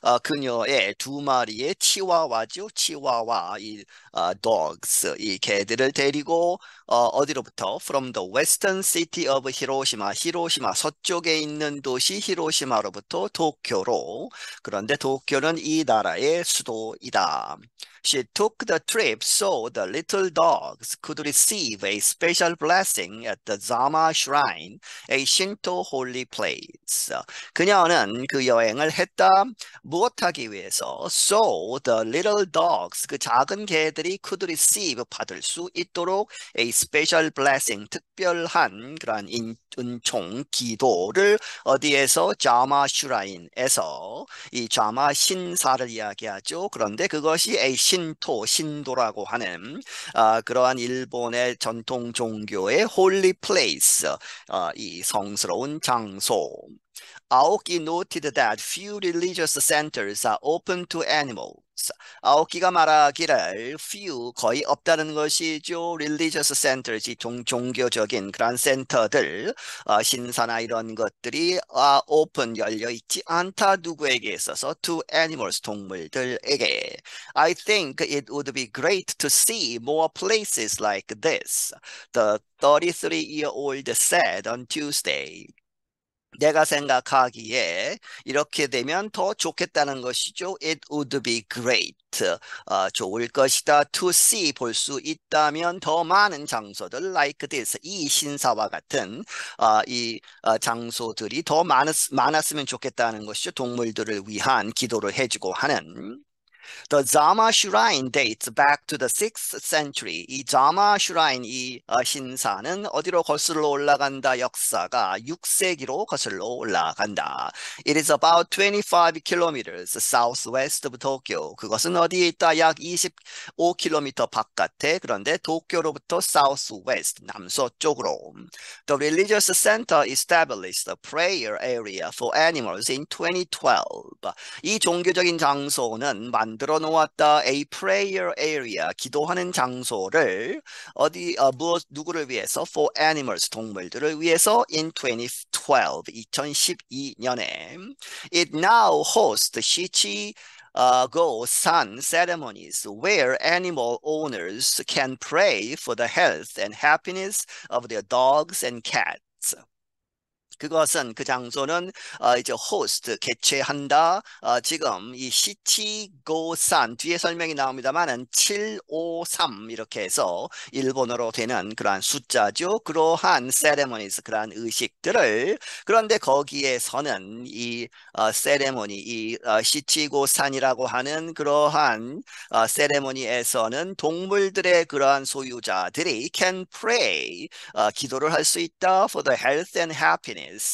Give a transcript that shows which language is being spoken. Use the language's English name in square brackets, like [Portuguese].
[Korean] 그녀의 두 마리의 치와와죠. 치와와 이 dogs 이 개들을 데리고 어디로부터? [English] From the western city of 히로시마. [Korean] 히로시마 서쪽에 있는 도시 히로시마로부터 도쿄로. 그런데 도쿄는 이 나라의 수도이다. [English] She took the trip so the little dogs could receive a special blessing at the Zama Shrine, a Shinto holy place. [Korean] 그녀는 그 여행을 했다. 무엇하기 위해서? [English] So the little dogs, [Korean] 그 작은 개들이 [English] could receive, [Korean] 받을 수 있도록 [English] a special blessing, [Korean] 특별한 그러한 은총 기도를 어디에서? Zama Shrine에서 이 자마 신사를 이야기하죠. 그런데 그것이 a 신도라고 하는 그러한 일본의 전통 종교의 [English] 홀리 플레이스 [Korean] 이 성스러운 장소. [English] Aoki noted that few religious centers are open to animals. [Korean] 아오키가 말하기를 few 거의 없다는 것이죠. [English] Religious centers, [Korean] 종교적인 그런 센터들, 신사나 이런 것들이 open 열려 있지 않다 누구에게 있어서 [English] to animals [Korean] 동물들에게. [English] I think it would be great to see more places like this. The 33-year-old said on Tuesday. [Korean] 내가 생각하기에 이렇게 되면 더 좋겠다는 것이죠. [English] It would be great. [Korean] 좋을 것이다. [English] To see, [Korean] 볼수 있다면 더 많은 장소들 [English] like this, [Korean] 이 신사와 같은 이 장소들이 더 많았으면 좋겠다는 것이죠. 동물들을 위한 기도를 해주고 하는. [English] The Zama Shrine dates back to the 6th century. [Korean] 이 자마 슈라인 이 신사는 어디로 거슬러 올라간다? 역사가 6세기로 거슬러 올라간다. [English] It is about 25 km southwest of Tokyo. [Korean] 그것은 어디에 있다? 약 25km 바깥에. 그런데 도쿄로부터 southwest 남서쪽으로. [English] The religious center established a prayer area for animals in 2012. [Korean] 이 종교적인 장소는 만들 놓았다. [English] A prayer area, [Korean] 기도하는 장소를 어디 무엇 누구를 위해서? [English] For animals, [Korean] 동물들을 위해서 [English] in 2012, [Korean] 2012년에 [English] it now hosts Shichi Go San ceremonies where animal owners can pray for the health and happiness of their dogs and cats. [Korean] 그것은 그 장소는 이제 호스트 개최한다. 지금 이 시치 고산 뒤에 설명이 나옵니다만은 753 이렇게 해서 일본어로 되는 그러한 숫자죠. 그러한 세레모니스 그러한 의식들을 그런데 거기에서는 이 세레모니 이 시치 고산이라고 하는 그러한 세레모니에서는 동물들의 그러한 소유자들이 [English] can pray [Korean] 기도를 할수 있다 [English] for the health and happiness.